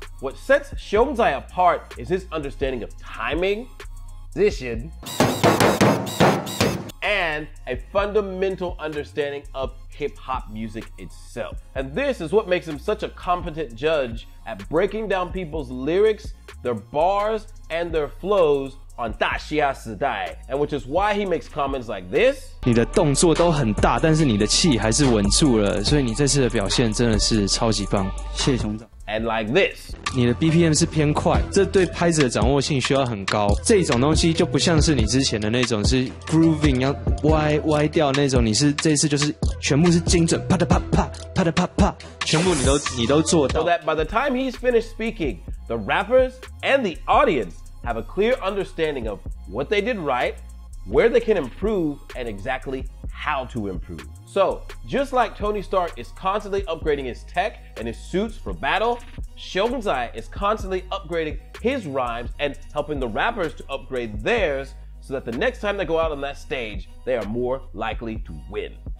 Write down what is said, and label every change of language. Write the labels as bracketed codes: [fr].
[en] What sets 熊仔apart is his understanding of timing, position, and a fundamental understanding of. Hip-hop music itself. And this is what makes him such a competent judge at breaking down people's lyrics, their bars, and their flows on 大嘻哈時代. And which is why he makes comments like this. [zh] 你的動作都很大,但是你的氣還是穩住了,所以你這次的表現真的是超級棒。謝謝熊仔。 [en] And like this. [zh] 你的 BPM 是偏快,這對拍子的掌握性需要很高。這種東西就不像是你之前的那種是 grooving 要歪歪掉那種,你是這次就是全部是精準,啪嗒啪啪,啪嗒啪啪,全部你都做到。 [en] So that by the time he's finished speaking, the rappers and the audience have a clear understanding of what they did right, where they can improve, and exactly how to improve. So, just like Tony Stark is constantly upgrading his tech and his suits for battle, 熊仔 is constantly upgrading his rhymes and helping the rappers to upgrade theirs so that the next time they go out on that stage, they are more likely to win.